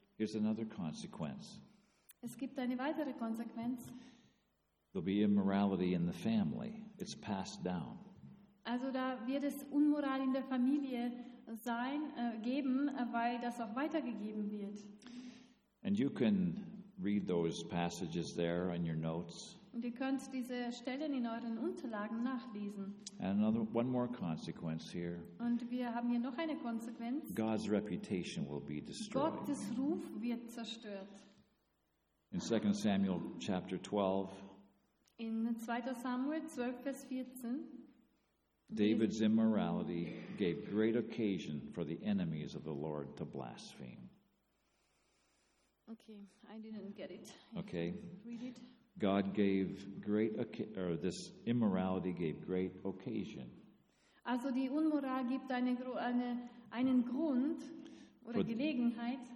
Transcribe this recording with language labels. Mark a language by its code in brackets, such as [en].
[en] Here's another consequence. [de] Es gibt eine weitere Konsequenz. [en] There'll be immorality in the family. It's passed down. [de] Also da wird es Unmoral in der Familie sein, geben, weil das auch weitergegeben wird. [en] And you can read those passages there on your notes. [de] Und ihr könnt diese Stellen in euren Unterlagen nachlesen. [en] And another, one more consequence here. [de] Und wir haben hier noch eine Konsequenz. [en] God's reputation will be destroyed. [de] Gottes Ruf wird zerstört. [en] In 2 Samuel chapter 12. [de] In 2. Samuel 12, Vers 14. [en] David's immorality gave great occasion for the enemies of the Lord to blaspheme. Okay, I didn't get it. Okay. Read it. God gave great or this immorality gave great occasion. [de] Also die Unmoral gibt einen Grund oder Gelegenheit.